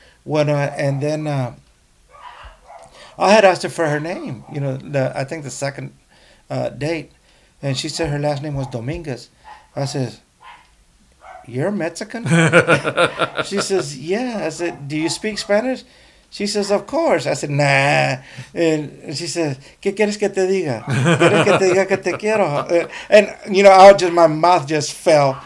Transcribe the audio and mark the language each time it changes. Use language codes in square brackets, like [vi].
[en] I had asked her for her name, you know, the second date. And she said her last name was Dominguez. I says, "You're Mexican?" She says, "Yeah." I said, "Do you speak Spanish?" She says, "Of course." I said, "Nah." And she says, [es] "¿Qué quieres que te diga? ¿Quieres que te diga que te quiero?" [en] And, you know, my mouth just fell.